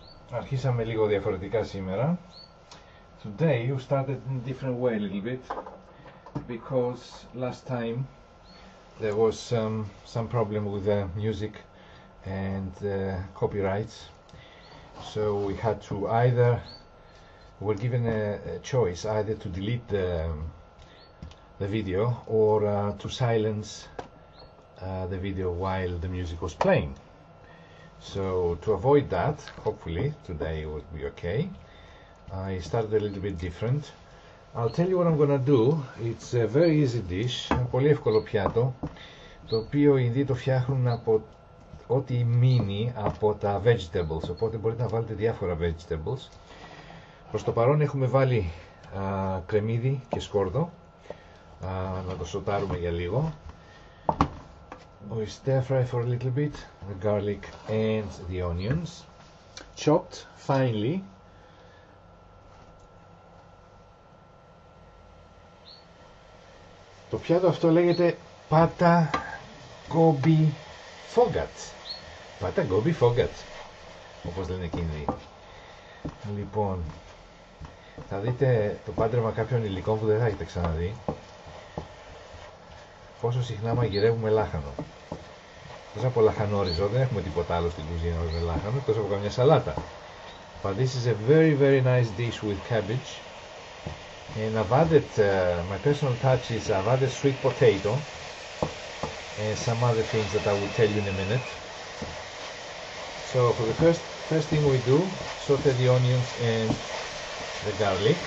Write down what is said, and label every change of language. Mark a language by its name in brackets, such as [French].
[Greek] Αρχίσαμε λίγο διαφορετικά σήμερα. [English] Today you started in a different way a little bit because last time there was some problem with the music and copyrights. So we had to either, we're given a choice either to delete the video or to silence the video while the music was playing. So to avoid that, hopefully today would be okay. I started a little bit different. I'll tell you what I'm gonna do. It's a very easy dish, [Greek] πολύ εύκολο πιάτο, το οποίο ήδη το φτιάχνουν από ό,τι μείνει από τα vegetables. Οπότε μπορείτε να βάλετε διάφορα vegetables. Προς το παρόν έχουμε βάλει κρεμμύδι και σκόρδο. Να το σοτάρουμε για λίγο. [English] We stir fry for a little bit the garlic and the onions, chopped finely. [Greek] Το πιάτο αυτό λέγεται πάτα γκόμπι φόγκατ. Πάτα γκόμπι φόγκατ, όπως λένε εκείνοι. Λοιπόν, θα δείτε το πάντρεμα κάποιων υλικών που δεν θα έχετε ξαναδεί. Πόσο συχνά μαγειρεύουμε λάχανο. Τόσο από λαχανόριζο, δεν έχουμε τίποτα άλλο στην κουζίνα με λάχανο, εκτός από καμιά σαλάτα. [English] But this is a very very nice dish with cabbage. And I've added, my personal touch is I've added sweet potato and some other things that I will tell you in a minute. So for the first thing we do, saute the onions and the garlic.